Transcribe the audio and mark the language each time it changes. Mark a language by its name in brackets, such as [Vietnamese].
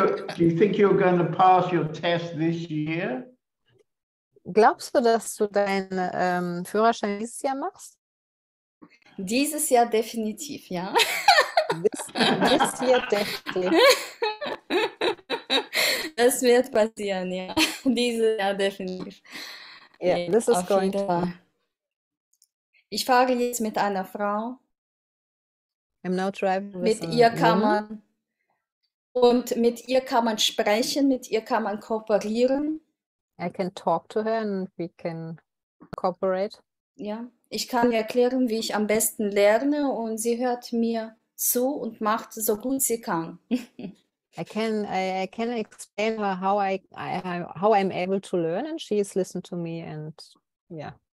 [English] Do you think you're going to pass your test this year? [German] Glaubst du, dass du deinen Führerschein dieses Jahr machst? Dieses Jahr definitiv, ja. [English] This year definitely. [German] Das wird passieren, ja. Dieses Jahr definitiv. [English] Yeah, this is going to happen. [German] Ich fahre jetzt mit einer Frau. [English] I'm now driving [German] mit ihr kann man und mit ihr kann man sprechen, mit ihr kann man kooperieren. [English] I can talk to her and we can cooperate. [German] Ja, ich kann ihr erklären, wie ich am besten lerne und sie hört mir zu und macht so gut sie kann. [English] I can explain her how I'm able to learn and she's listened to me and yeah.